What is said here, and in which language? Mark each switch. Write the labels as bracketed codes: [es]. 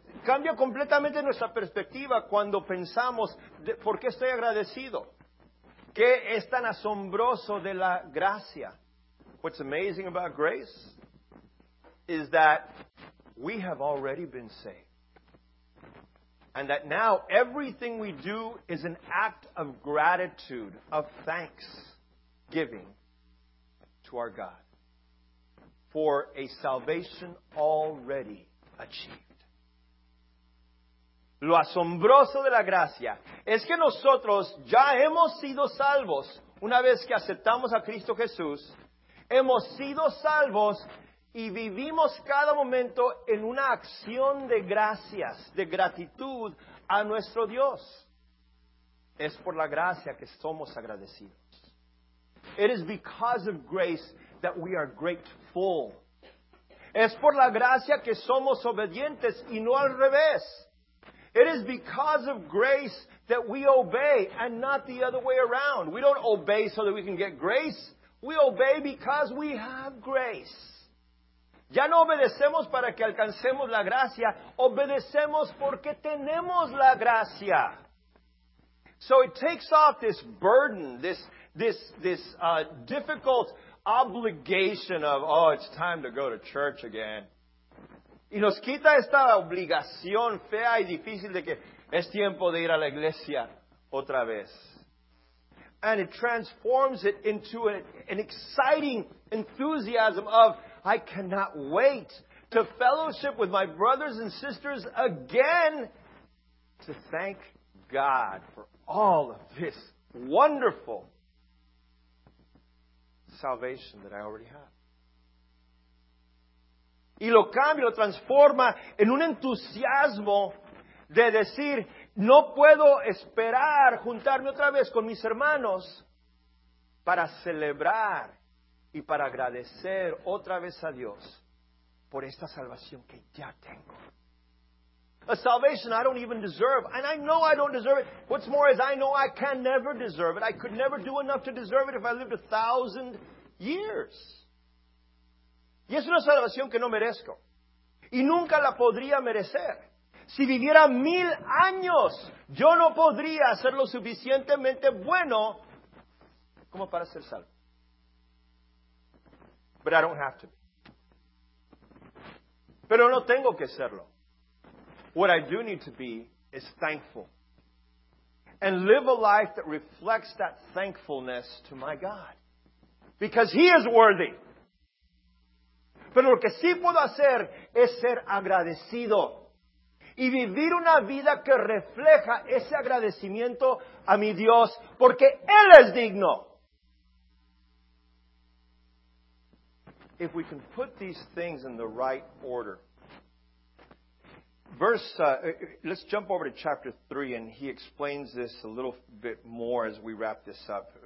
[es] Cambia completamente nuestra perspectiva cuando pensamos, ¿por qué estoy agradecido? ¿Qué es tan asombroso de la gracia? [en] What's amazing about grace is that we have already been saved. And that now everything we do is an act of gratitude, of thanksgiving to our God for a salvation already achieved. [es] Lo asombroso de la gracia es que nosotros ya hemos sido salvos una vez que aceptamos a Cristo Jesús. Hemos sido salvos y vivimos cada momento en una acción de gracias, de gratitud a nuestro Dios. Es por la gracia que somos agradecidos. [en] It is because of grace that we are grateful. [es] Es por la gracia que somos obedientes y no al revés. [en] It is because of grace that we obey and not the other way around. We don't obey so that we can get grace. We obey because we have grace. [es] Ya no obedecemos para que alcancemos la gracia. Obedecemos porque tenemos la gracia. [en] So it takes off this burden, this difficult obligation of, oh, it's time to go to church again. [es] Y nos quita esta obligación fea y difícil de que es tiempo de ir a la iglesia otra vez. [en] And it transforms it into an exciting enthusiasm of, I cannot wait to fellowship with my brothers and sisters again to thank God for all of this wonderful salvation that I already have. [es] Y lo cambia, lo transforma en un entusiasmo de decir, no puedo esperar juntarme otra vez con mis hermanos para celebrar y para agradecer otra vez a Dios por esta salvación que ya tengo. [en] A salvation I don't even deserve. And I know I don't deserve it. What's more is I know I can never deserve it. I could never do enough to deserve it if I lived 1,000 years. [es] Y es una salvación que no merezco. Y nunca la podría merecer. Si viviera 1,000 años, yo no podría ser lo suficientemente bueno como para ser salvo. [en] But I don't have to be. [es] Pero no tengo que serlo. [en] What I do need to be is thankful. And live a life that reflects that thankfulness to my God. Because He is worthy. [es] Pero lo que sí puedo hacer es ser agradecido. Y vivir una vida que refleja ese agradecimiento a mi Dios, porque Él es digno. [en] If we can put these things in the right order. Let's jump over to chapter 3, and he explains this a little bit more as we wrap this up.